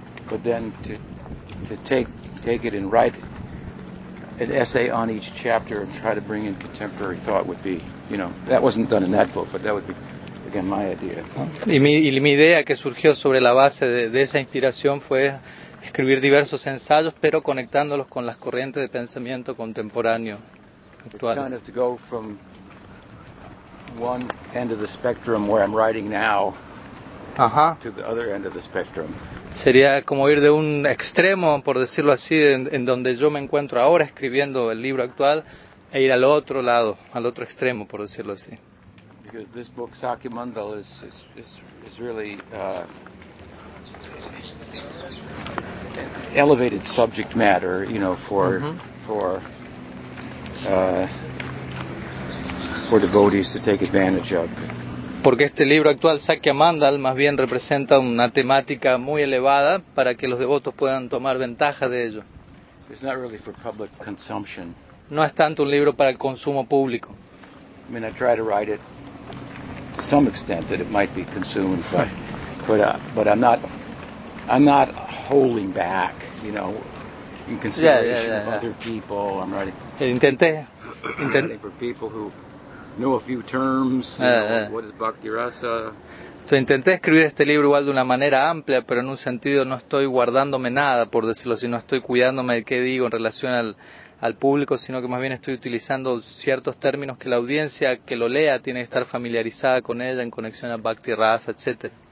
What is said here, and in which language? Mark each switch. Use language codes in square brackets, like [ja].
[en] But then to take it and write an essay on each chapter and try to bring in contemporary thought would be, you know, that wasn't done in that book, but that would be, again, my idea. [es] Y mi idea que surgió sobre la base de esa inspiración fue escribir diversos ensayos, pero conectándolos con las corrientes de pensamiento contemporáneo actuales. [en] Kind of to go from one end of the spectrum where I'm writing now. Ajá. To the other end of the spectrum. [es] Sería como ir de un extremo, por decirlo así, en donde yo me encuentro ahora escribiendo el libro actual, e ir al otro lado, al otro extremo, por decirlo así. [en] Because this book, Sakyamandala, is really an elevated subject matter, you know, for devotees to take advantage of. [es] Porque este libro actual, Sakyamandala, más bien representa una temática muy elevada para que los devotos puedan tomar ventaja de ello. [en] It's not really for public consumption. [es] No es tanto un libro para el consumo público. [en] I mean, I try to write it to some extent that it might be consumed, but I'm not holding back, you know, in consideration of other people. I'm writing. [es] Intenté. [en] For people who know a few terms, what is Bhakti Rasa. [es] So, intenté escribir este libro igual de una manera amplia, pero en un sentido no estoy guardándome nada, por decirlo así, no estoy cuidándome de qué digo en relación al público, sino que más bien estoy utilizando ciertos términos que la audiencia que lo lea tiene que estar familiarizada con ella en conexión a Bhakti Rasa, etc.